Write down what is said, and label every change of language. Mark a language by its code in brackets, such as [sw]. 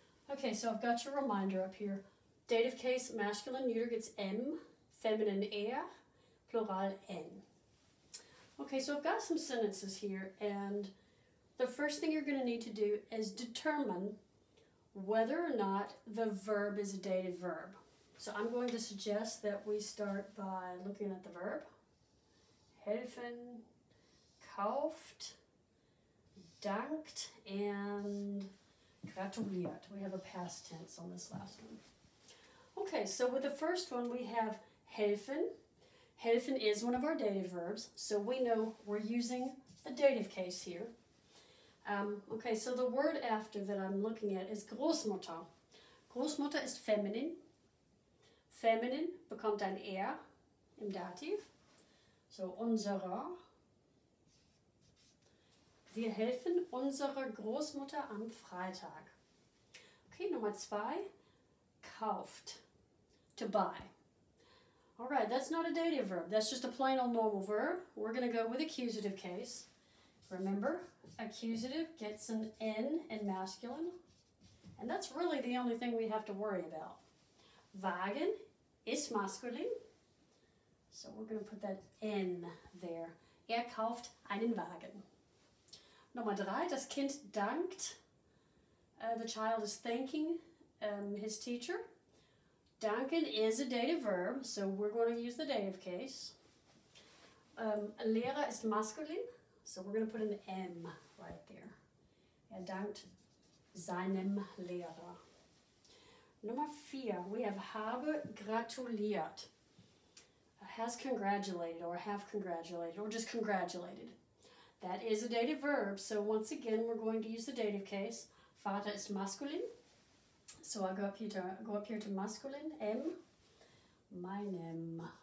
[en] Okay, so I've got your reminder up here. Dative case, masculine, neuter gets M, feminine, er, plural, N. Okay, so I've got some sentences here, and the first thing you're going to need to do is determine whether or not the verb is a dative verb. So I'm going to suggest that we start by looking at the verb. Helfen, kauft, dankt, and gratuliert. We have a past tense on this last one. Okay, so with the first one, we have helfen. Helfen is one of our dative verbs, so we know we're using the dative case here. Okay, so the word after that I'm looking at is Großmutter. [de] Großmutter ist feminine. Feminine bekommt ein er im Dativ. So unserer. Wir helfen unserer Großmutter am Freitag. Okay, Nummer zwei. Kauft. [en] To buy. All right, that's not a dative verb. That's just a plain old normal verb. We're going to go with accusative case. Remember, accusative gets an N in masculine. And that's really the only thing we have to worry about. Wagen ist masculine. So we're going to put that N there. [de] Er kauft einen Wagen. Nummer drei, das Kind dankt. [en] The child is thanking his teacher. Danken is a dative verb, so we're going to use the dative case. Lehrer ist masculine, so we're going to put an M right there. [de] Er dankt seinem Lehrer. Nummer vier, [en] we have [de] habe gratuliert. [en] Has congratulated or have congratulated or just congratulated. That is a dative verb, so once again we're going to use the dative case. Vater ist masculine. So I go up here to masculine, M, meinem.